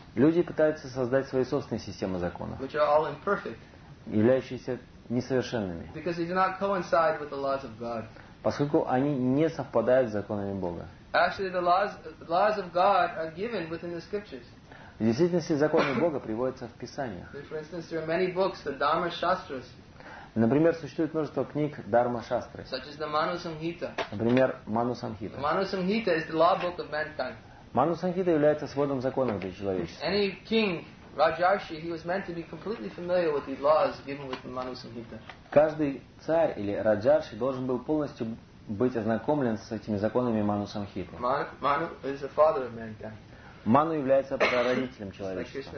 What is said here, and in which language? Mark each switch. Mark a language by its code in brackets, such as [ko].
[ru] Люди пытаются создать свои собственные системы законов. [en] Which are all imperfect. [ru] Являющиеся несовершенными. [en] Because they do not coincide with the laws of God. [ru] Поскольку они не совпадают с законами Бога. [en] Actually, the laws of God are given within the scriptures. [ru] В действительности, законы Бога приводятся в Писаниях. [en] For instance, there are many books, the Dharma Shastras. [ru] Например, существует множество книг Дарма Шастры. [en] Such as the Manu Samhita. [ru] Например, Manu Samhita. [en] Manu Samhita is the law book of mankind. [ru] Manu Samhita является сводом законов для человечества. [en] Any king, Rajarshi, he was meant to be completely familiar with the laws given within Manu Samhita. [ru] Каждый царь или Раджарши должен был полностью быть ознакомлен с этими законами Ману Самхиты. [en] Ману is the father of mankind. [ru] Ману является прародителем человечества.